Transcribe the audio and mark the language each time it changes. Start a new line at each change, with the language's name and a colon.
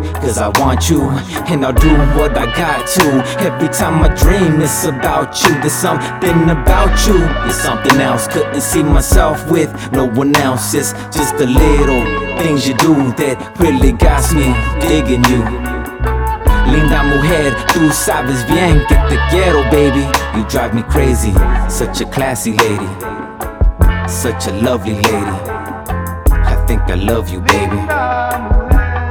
English: Cause I want you, and I'll do what I got to. Every time I dream, it's about you. There's something about you, it's something else. Couldn't see myself with no one else. It's just the little things you do that really got me digging you.
Spanish: Linda mujer, tú sabes bien que te quiero, baby.
English: You drive me crazy, such a classy lady, such a lovely lady. I think I love you, baby.